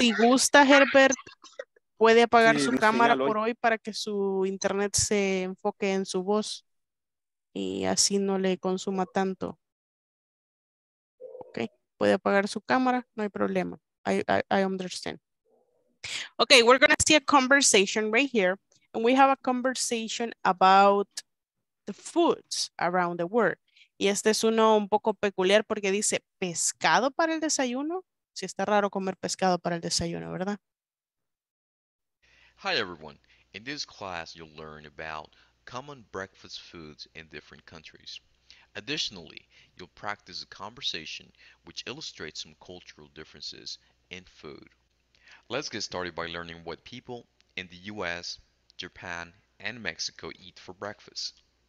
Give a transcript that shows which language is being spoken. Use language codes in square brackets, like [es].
[es] Si gusta, Herbert, puede apagar su cámara por hoy para que su internet se enfoque en su voz y así no le consuma tanto. Ok, puede apagar su cámara, no hay problema. [en] I understand. Ok, we're going to see a conversation right here. And we have a conversation about the foods around the world. [es] Y este es uno un poco peculiar porque dice pescado para el desayuno, si está raro comer pescado para el desayuno, ¿verdad? [en] Hi everyone. In this class, you'll learn about common breakfast foods in different countries. Additionally, you'll practice a conversation which illustrates some cultural differences in food. Let's get started by learning what people in the US, Japan, and Mexico eat for breakfast.